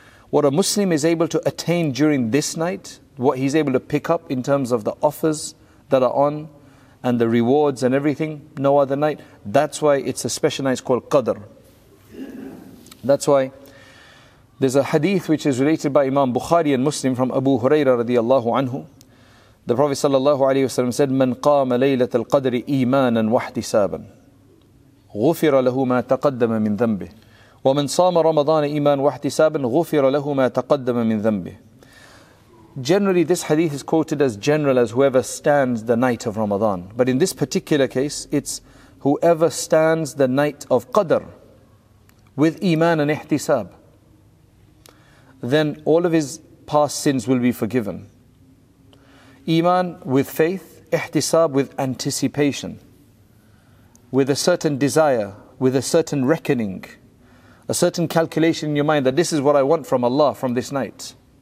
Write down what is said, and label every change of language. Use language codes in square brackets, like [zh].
[en] What a Muslim is able to attain during this night, what he's able to pick up in terms of the offers that are on and the rewards and everything, no other night. That's why it's a special night called Qadr. That's why there's a hadith which is related by Imam Bukhari and Muslim from Abu Hurairah radiyallahu anhu. The Prophet sallallahu alayhi wa sallam said, [ar] من قام ليلة القدر إيمانا واحتسابا غفر له ما تقدم من ذنبه ومن صام رمضان إيمان واحتسابا غفر له ما تقدم من ذنبه. [en] Generally, this hadith is quoted as general as whoever stands the night of Ramadan. But in this particular case, it's whoever stands the night of Qadr with Iman and Ihtisab. Then all of his past sins will be forgiven. Iman with faith, Ihtisab with anticipation, with a certain desire, with a certain reckoning, a certain calculation in your mind that this is what I want from Allah from this night.